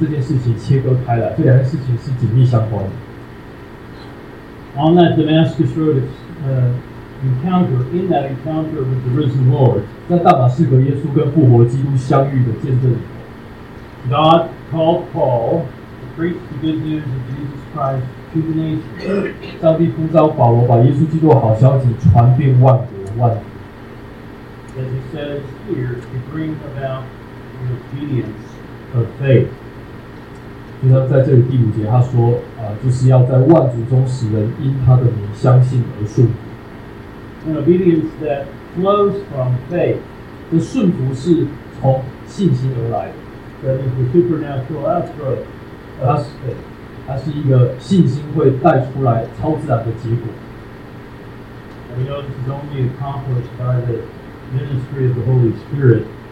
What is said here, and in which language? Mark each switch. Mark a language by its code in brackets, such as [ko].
[zh] 因为保罗他作为一个使徒的职分，不能够跟他个人得救的这件事情切割开来，这两件事情是紧密相关的。 [en] On that Damascus Road encounter, in that encounter with the risen Lord, [zh] 在大马士革耶稣跟复活基督相遇的见证里, [en] God called Paul to preach the good news of Jesus Christ to the nations. [zh] 上帝呼召保罗把耶稣基督的好消息传遍万国万民。 [en] As he says here, to bring about the obedience of faith. [zh] 就像在这个第五节他说, 就是要在万族中使人因他的名相信而顺服。 [en] An obedience that flows from faith. [zh] 这顺服是从信心而来的。 [en] That is the supernatural outgrowth of faith. [zh] 它是一个信心会带出来超自然的结果。 [en] And we know this is only accomplished by the ministry of the Holy Spirit.